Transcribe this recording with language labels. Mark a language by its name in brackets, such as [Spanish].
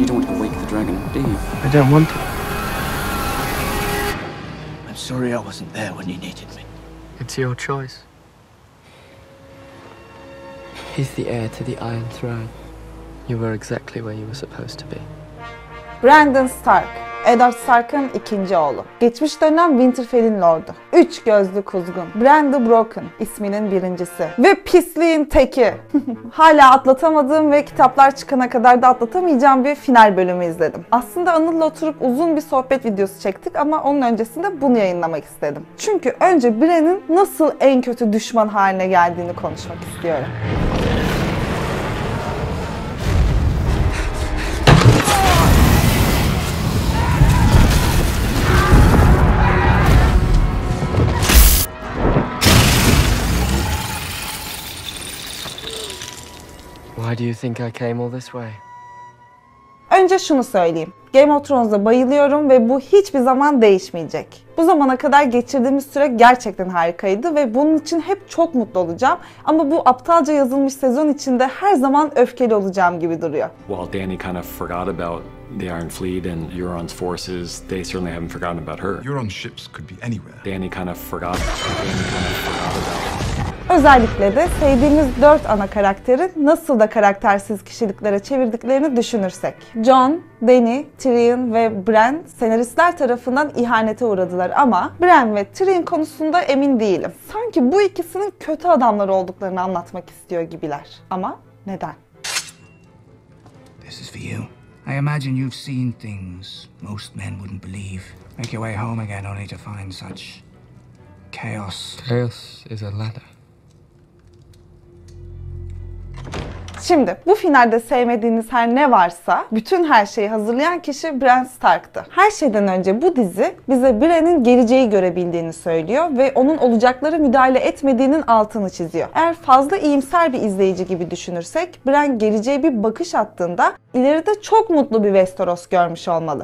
[English] You don't want to wake the dragon, do you? I don't want to. I'm sorry I wasn't there when you needed me. It's your choice. He's the heir to the Iron Throne. You were exactly where you were supposed to be. [Turkish] Brandon Stark, Eddard Stark'ın ikinci oğlu. Geçmiş dönem Winterfell'in lordu. Üç gözlü kuzgun. Bran the Broken isminin birincisi. Ve pisliğin teki. Hala atlatamadığım ve kitaplar çıkana kadar da atlatamayacağım bir final bölümü izledim. Aslında Anıl'la oturup uzun bir sohbet videosu çektik ama onun öncesinde bunu yayınlamak istedim. Çünkü önce Bran'ın nasıl en kötü düşman haline geldiğini konuşmak istiyorum. [English] Why do you think I came all this way? [Turkish] Önce şunu söyleyeyim. Game of Thrones'a bayılıyorum ve bu hiçbir zaman değişmeyecek. Bu zamana kadar geçirdiğimiz süre gerçekten harikaydı ve bunun için hep çok mutlu olacağım. Ama bu aptalca yazılmış sezon içinde her zaman öfkeli olacağım gibi duruyor. [English] While Dany kind of forgot about the Iron Fleet and Euron's forces, they certainly haven't forgotten about her. Euron's ships could be anywhere. Dany kind of forgot. [Turkish] Özellikle de sevdiğimiz dört ana karakteri nasıl da karaktersiz kişiliklere çevirdiklerini düşünürsek. Jon, Dany, Tyrion ve Bran senaristler tarafından ihanete uğradılar ama Bran ve Tyrion konusunda emin değilim. Sanki bu ikisinin kötü adamlar olduklarını anlatmak istiyor gibiler. Ama neden? [English] This is for you. I imagine you've seen things most men wouldn't believe. Make your way home again only to find such chaos. Chaos is a ladder. [Turkish] Şimdi bu finalde sevmediğiniz her ne varsa bütün her şeyi hazırlayan kişi Bran Stark'tı. Her şeyden önce bu dizi bize Bran'ın geleceği görebildiğini söylüyor ve onun olacaklara müdahale etmediğinin altını çiziyor. Eğer fazla iyimser bir izleyici gibi düşünürsek Bran geleceğe bir bakış attığında ileride çok mutlu bir Westeros görmüş olmalı.